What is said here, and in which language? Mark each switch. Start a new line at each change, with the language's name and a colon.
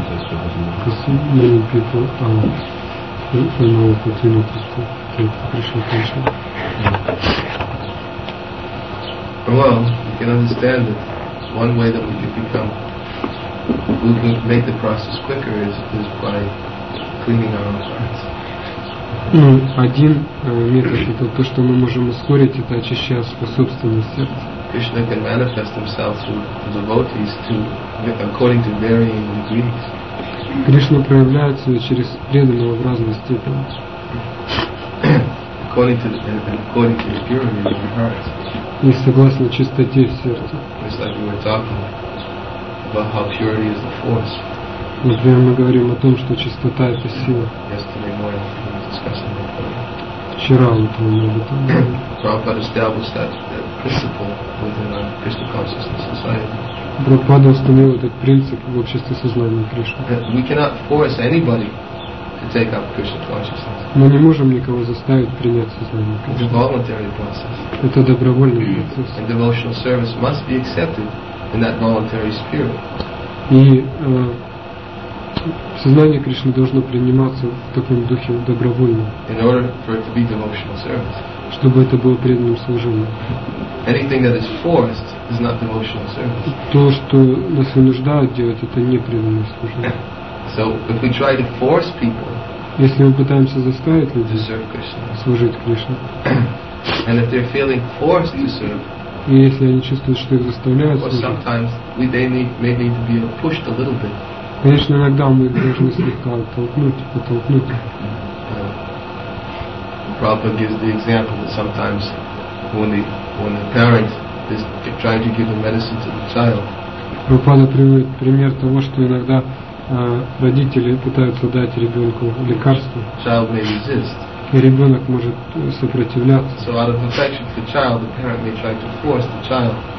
English: Because many people are in no opportunity to take Krishna consciousness. Well, you can understand that one way that we could become, we can make the process quicker is by cleaning our own hearts.
Russian: Один метод – это то, что мы можем ускорить, это очищая свое собственное сердце.
English: Krishna can manifest himself through devotees according to varying degrees.
Russian: Кришна проявляет себя через преданного в разной степени.
English: According to the purity of your hearts.
Russian: И согласно чистоте в сердце.
English: It's like we were talking about how purity is the force.
Russian: Например, мы говорим о том, что чистота – это сила.
English: Yesterday morning.
Russian: Вчера утром об этом Прабхупада установил этот принцип в обществе сознания Кришны.
English: We cannot force anybody to take up Krishna consciousness.
Russian: Мы не можем никого заставить принять сознание Кришны.
English: It's a voluntary process.
Russian: Это добровольный процесс.
English: And devotional service must be accepted in that voluntary spirit.
Russian: И сознание Кришны должно приниматься в таком духе добровольно,
English: in order for it to be devotional service.
Russian: Чтобы это было преданным служением.
English: Anything that is forced is not devotional service.
Russian: То, что нас вынуждают делать, это не преданное служение.
English: So if we try to force people,
Russian: если мы пытаемся заставить людей служить Кришне,
English: and if they're feeling forced to serve,
Russian: и если они чувствуют, что их заставляют служить,
English: sometimes they may need to be pushed a little bit.
Russian: Конечно, иногда мы должны слегка оттолкнуть, подтолкнуть.
English: Prabhupada gives the example that sometimes when the parent is trying to give the medicine to the child.
Russian: Prabhupada приводит пример того, что иногда родители пытаются дать ребенку лекарство.
English: Child may resist.
Russian: И ребенок может сопротивляться.
English: So out of affection for the child, the parent may try to force the child.